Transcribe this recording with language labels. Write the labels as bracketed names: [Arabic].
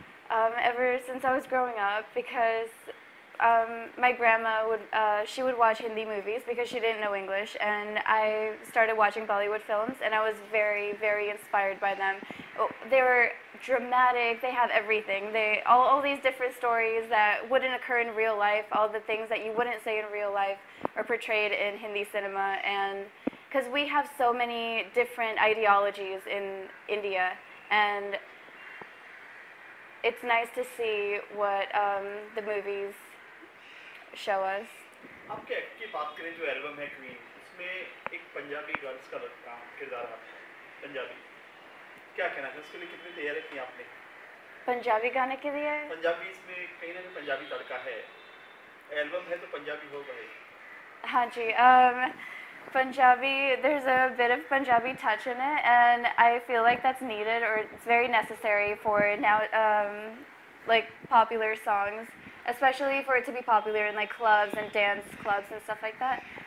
[English] Ever since I was growing up, because my grandma would watch Hindi movies because she didn't know English, and I started watching Bollywood films, and I was very, very inspired by them. They were dramatic, they have everything. All these different stories that wouldn't occur in real life, all the things that you wouldn't say in real life are portrayed in Hindi cinema, and because we have so many different ideologies in India, and it's nice to see what the movies show us. [Hindi] आपके एक की बात करें जो album है queen, इसमें एक Punjabi girls का लगता है किरदार है पंजाबी. क्या कहना है इसके लिए, कितनी तैयारी की आपने पंजाबी गाने के लिए? पंजाबी इसमें कहीं ना कहीं पंजाबी तड़का है, एल्बम है तो पंजाबी होगा ही. हाँ जी, [English] Punjabi, there's a bit of Punjabi touch in it, and I feel like that's needed, or it's very necessary for now, like popular songs, especially for it to be popular in like clubs and dance clubs and stuff like that.